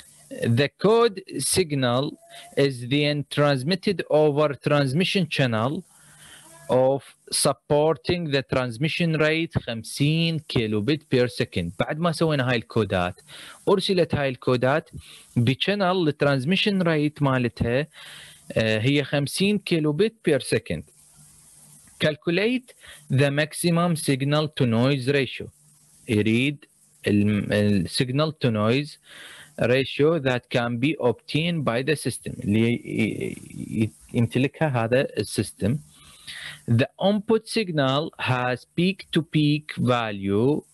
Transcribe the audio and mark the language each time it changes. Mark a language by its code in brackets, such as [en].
[en] The code signal is then transmitted over transmission channel of supporting the transmission rate 50 kilobit per second. [ar] بعد ما سوينا هاي الكودات أرسلت هاي الكودات بشانل للترانزميشن ريت مالتها هي 50 كيلوبيت بير سكند. [en] Calculate the maximum signal to noise ratio. [ar] يريد ال [en] signal to noise ratio that can be obtained by the system. [ar] اللي يمتلكها هذا السيستم. [en] The input signal has peak to peak value.